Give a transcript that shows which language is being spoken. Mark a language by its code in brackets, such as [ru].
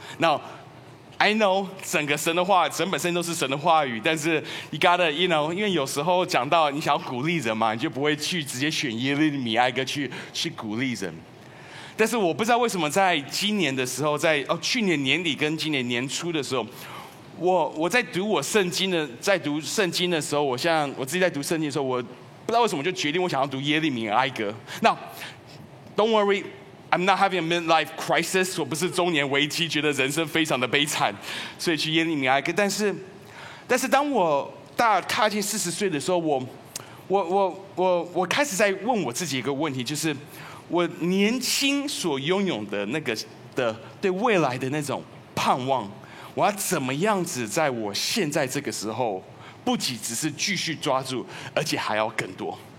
[zh] 那 [en] I know [zh] 整个神的话，整本身都是神的话语，但是 [en] you know [zh] 因为有时候讲到你想要鼓励人嘛，你就不会去直接选耶利米哀歌去鼓励人。但是我不知道为什么在今年的时候，在去年年底跟今年年初的时候，我在读我圣经的，在读圣经的时候，我像我自己在读圣经的时候，我不知道为什么就决定我想要读耶利米哀歌。 [en] 那 don't worryI'm not having a midlife crisis. [zh] 我不是中年危机，觉得人生非常的悲惨，所以去耶利米哀歌。但是当我大踏进四十岁的时候，我开始在问我自己一个问题，就是我年轻所拥有的那个的对未来的那种盼望，我要怎么样子在我现在这个时候，不仅只是继续抓住，而且还要更多。